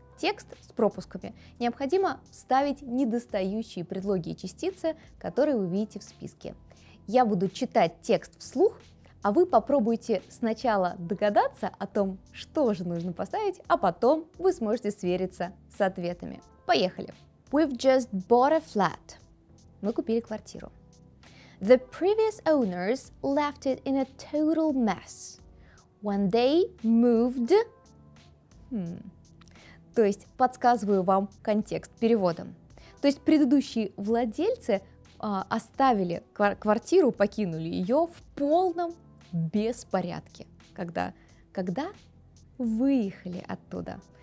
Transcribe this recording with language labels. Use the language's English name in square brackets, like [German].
[Russian] Текст с пропусками необходимо вставить недостающие предлоги и частицы, которые вы видите в списке. Я буду читать текст вслух, а вы попробуйте сначала догадаться о том, что же нужно поставить, а потом вы сможете свериться с ответами. Поехали! [English] We've just bought a flat. [Russian] Мы купили квартиру. [English] The previous owners left it in a total mess. When they moved... [Russian] То есть подсказываю вам контекст перевода. То есть предыдущие владельцы оставили квартиру, покинули ее в полном беспорядке, когда выехали оттуда.